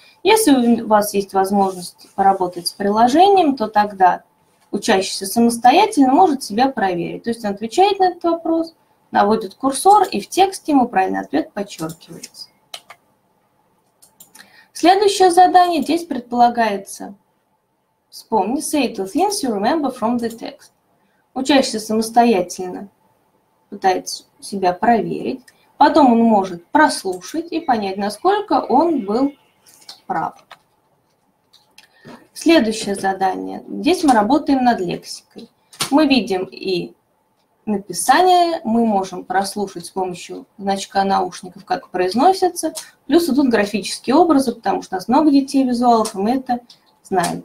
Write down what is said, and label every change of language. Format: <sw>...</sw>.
<ru>Если у вас есть возможность поработать с приложением, то тогда учащийся самостоятельно может себя проверить. То есть он отвечает на этот вопрос, наводит курсор, и в тексте ему правильный ответ подчеркивается. Следующее задание здесь предполагается. Вспомни,</ru> <en>say the things you remember from the text.</en> <ru>Учащийся самостоятельно пытается себя проверить. Потом он может прослушать и понять, насколько он был прав. Следующее задание. Здесь мы работаем над лексикой. Мы видим и написание, мы можем прослушать с помощью значка наушников, как произносится. Плюс идут графические образы, потому что у нас много детей-визуалов, и мы это знает.</ru>